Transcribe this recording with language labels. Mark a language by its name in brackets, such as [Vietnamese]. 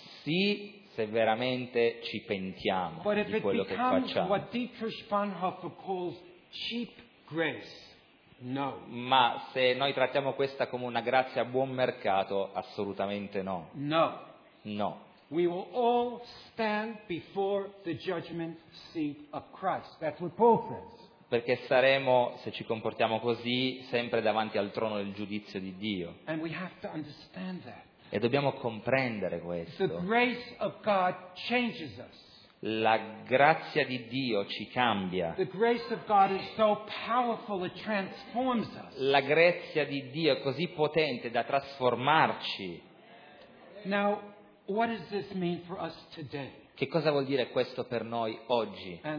[Italian] Sì, se veramente ci pentiamo [English] but [Italian] di [English] if [Italian] quello [English] it [Italian] che facciamo. [English] What Dietrich Bonhoeffer calls cheap grace, no. [Italian] Ma se noi trattiamo questa come una grazia a buon mercato, assolutamente no. No. No. [English] We will all stand before the judgment seat of Christ. That's what Paul says. [Italian] Perché saremo, se ci comportiamo così, sempre davanti al trono del giudizio di Dio. [English] And we have to understand that. [Italian] E dobbiamo comprendere questo. [English] The grace of God changes us. [Italian] La grazia di Dio ci cambia. [English] The grace of God is so powerful, it transforms us. [Italian] La grazia di Dio è così potente da trasformarci. [English] Now, what does this mean for us today? [Italian] Che cosa vuol dire questo per noi oggi?